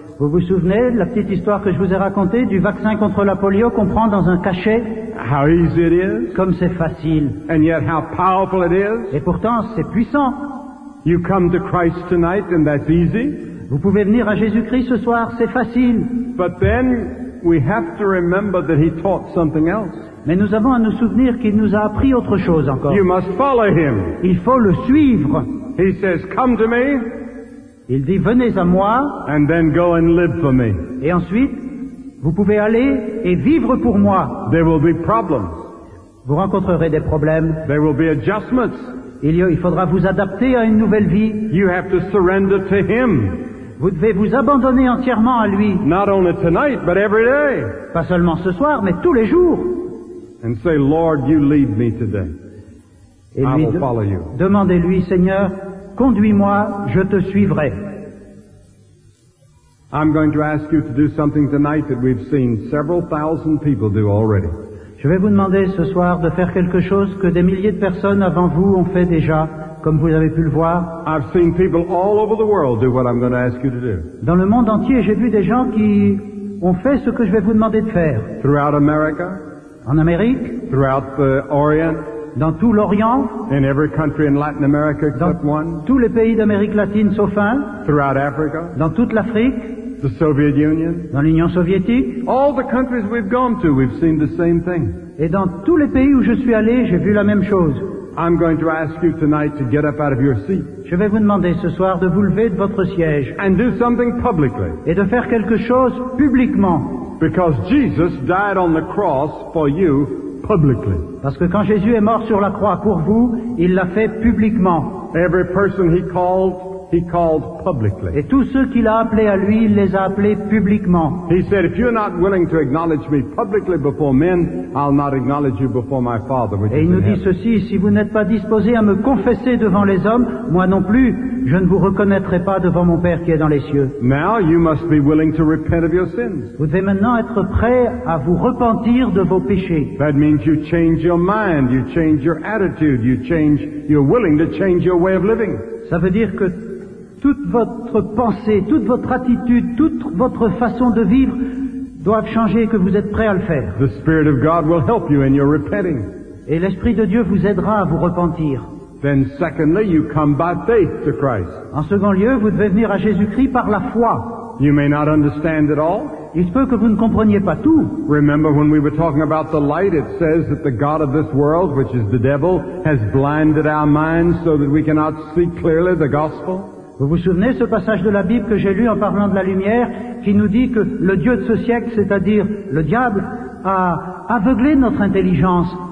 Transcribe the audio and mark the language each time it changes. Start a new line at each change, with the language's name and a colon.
French: Vous vous souvenez de la petite histoire que je vous ai racontée du vaccin contre la polio qu'on prend dans un cachet?
English: How easy it is.
French: Comme c'est facile.
English: And yet how powerful it is.
French: Et pourtant, c'est puissant.
English: You come to Christ tonight and that's easy.
French: Vous pouvez venir à Jésus-Christ ce soir, c'est facile.
English: But then we have to remember that he taught something else.
French: Mais nous avons à nous souvenir qu'il nous a appris autre chose encore.
English: You must follow him.
French: Il faut le suivre.
English: He says, come to me.
French: Il dit, venez à moi.
English: And then go and live for me.
French: Et ensuite, vous pouvez aller et vivre pour moi.
English: There will be problems.
French: Vous rencontrerez des problèmes.
English: There will be adjustments.
French: Il faudra vous adapter à une nouvelle vie.
English: You have to surrender to him.
French: Vous devez vous abandonner entièrement à lui.
English: Not only tonight, but every day.
French: Pas seulement ce soir, mais tous les jours.
English: And say, Lord, you lead me today.
French: Et
English: I will follow you.
French: Demandez-lui, Seigneur, conduis-moi, je te suivrai.
English: I'm going to ask you to do something tonight that we've seen several thousand people do already.
French: Je vais vous demander ce soir de faire quelque chose que des milliers de personnes avant vous ont fait déjà, comme vous avez pu le voir.
English: I've seen people all over the world do what I'm going to ask you to do.
French: Dans le monde entier, j'ai vu des gens qui ont fait ce que je vais vous demander de faire.
English: Throughout America.
French: En Amérique.
English: Throughout the Orient.
French: Dans tout l'Orient.
English: In every country in Latin America except one.
French: Dans tous les pays d'Amérique latine sauf un.
English: Throughout Africa.
French: Dans toute l'Afrique.
English: The Soviet Union.
French: Dans l'Union soviétique.
English: All the countries we've gone to, we've seen the same thing.
French: Et dans tous les pays où je suis allé, j'ai vu la même chose.
English: I'm going to ask you tonight to get up out of your seat.
French: Je vais vous demander ce soir de vous lever de votre siège.
English: And do something publicly.
French: Et de faire quelque chose publiquement.
English: Because Jesus died on the cross for you publicly.
French: Parce que quand Jésus est mort sur la croix pour vous, il l'a fait publiquement.
English: Every person he called publicly.
French: Et tous ceux qu'il a appelés à lui, il les a appelés publiquement.
English: He said, if you're not willing to acknowledge me publicly before men, I'll not acknowledge you before my Father.
French: Et il nous dit ceci, si vous n'êtes pas disposé à me confesser devant les hommes, moi non plus, je ne vous reconnaîtrai pas devant mon Père qui est dans les cieux.
English: Now you must be willing to repent of your sins.
French: Vous devez maintenant être prêt à vous repentir de vos péchés.
English: That means you change your mind, you change your attitude, you change, you're willing to change your way of living.
French: Ça veut dire que toute votre pensée, toute votre attitude, toute votre façon de vivre doivent changer et que vous êtes prêt à le faire.
English: The Spirit of God will help you in your repenting.
French: Et l'Esprit de Dieu vous aidera à vous repentir.
English: Then secondly, you come by faith to Christ.
French: En second lieu, vous devez venir à Jésus-Christ par la foi.
English: You may not understand it all.
French: Il se peut que vous ne compreniez pas tout.
English: Remember when we were talking about the light, it says that the god of this world, which is the devil, has blinded our minds so that we cannot see clearly the gospel.
French: Vous vous souvenez ce passage de la Bible que j'ai lu en parlant de la lumière, qui nous dit que le dieu de ce siècle, c'est-à-dire le diable, a aveuglé notre intelligence.